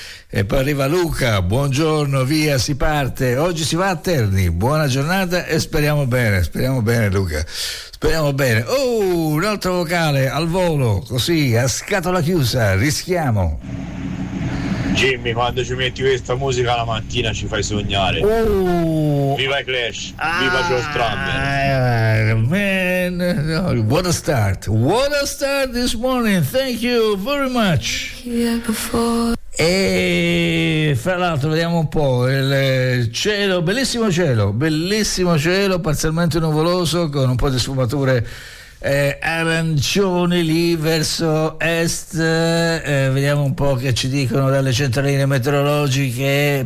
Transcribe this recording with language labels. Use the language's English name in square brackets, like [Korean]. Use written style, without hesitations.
[Italian] E poi arriva Luca, buongiorno, via, si parte, oggi si va a Terni, buona giornata e speriamo bene Luca, speriamo bene. Oh, un altro vocale al volo, così, a scatola chiusa, rischiamo. Jimmy, quando ci metti questa musica la mattina ci fai sognare. Viva i Clash, viva Joe Strummer. [English] Man, no, what a start this morning, thank you very much. Yeah, before. [Italian] E fra l'altro vediamo un po' il cielo, bellissimo cielo, parzialmente nuvoloso con un po' di sfumature arancioni lì verso est, vediamo un po' che ci dicono dalle centraline meteorologiche.